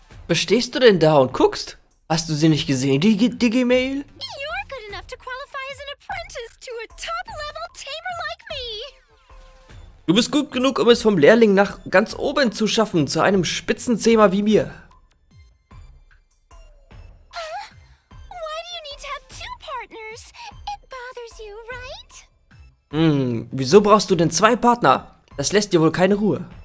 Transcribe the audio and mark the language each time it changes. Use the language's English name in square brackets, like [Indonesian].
[German] Was stehst du denn da und guckst? Hast du sie nicht gesehen, die Digimail? [English] You're good enough to qualify as an apprentice to a top-level tamer like me. [German] Du bist gut genug, um es vom Lehrling nach ganz oben zu schaffen, zu einem Spitzenzähmer wie mir. [English] Why do you need to have two partners? It bothers you, right? [German] Wieso brauchst du denn zwei Partner? Das lässt dir wohl keine Ruhe.